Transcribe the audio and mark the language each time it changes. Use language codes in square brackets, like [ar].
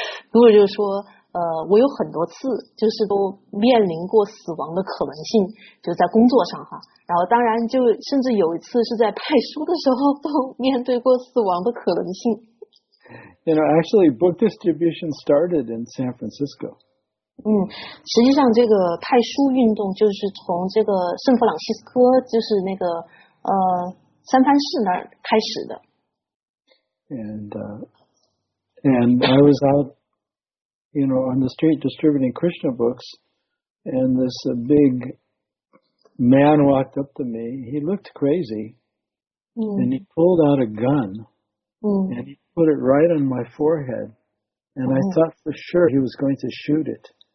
[zh] 如果就是说，我有很多次就是都面临过死亡的可能性，就在工作上哈。然后当然就甚至有一次是在派书的时候都面对过死亡的可能性。 [en] You know, actually, book distribution started in San Francisco. [zh] 实际上这个派书运动就是从这个圣弗朗西斯科，就是那个三藩市那儿开始的。 [en] And I was out, you know, on the street distributing Krishna books, and this big man walked up to me. He looked crazy, and he pulled out a gun, and he put it right on my forehead, and I thought for sure he was going to shoot it.